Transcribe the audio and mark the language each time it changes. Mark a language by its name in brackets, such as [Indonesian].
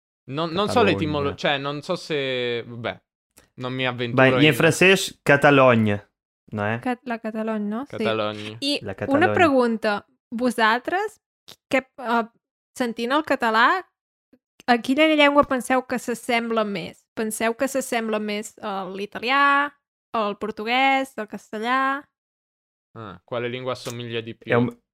[Italian] Non so l'etimologia, cioè, non so se... Beh, non mi avventuro. Beh, in francese, Catalogna, no è? La Catalogna, no? Catalogna. Sì. La Catalogna. [Catalan] Una pregunta. Vosaltres, sentint el català, a quina llengua penseu que s'assembla més? Penseu que s'assembla més a l'italià, al portuguès, al castellà? [Italian] Ah, quale lingua assomiglia di più?